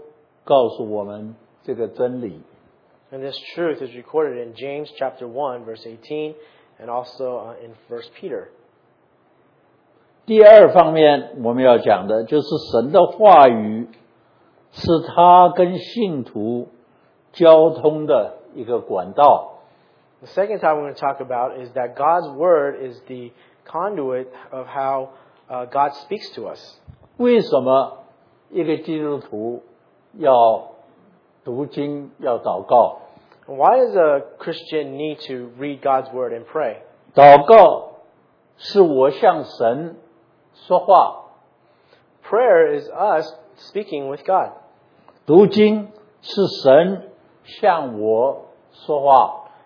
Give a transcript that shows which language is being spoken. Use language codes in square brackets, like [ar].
[zh] 雅各书一章十八节，彼得前书一章二十三、二十五节都告诉我们这个真理。 [en] And this truth is recorded in James chapter 1 verse 18 and also in 1 Peter. [zh] 第二方面我们要讲的就是神的话语是他跟信徒交通的一个管道。 [en] The second time we're going to talk about is that God's word is the conduit of how God speaks to us. [zh] 为什么一个基督徒要读经要祷告? [en] Why does a Christian need to read God's word and pray? [zh] 祷告是我向神 说话, [en] prayer is us speaking with God. [zh] 读经是神向我说话,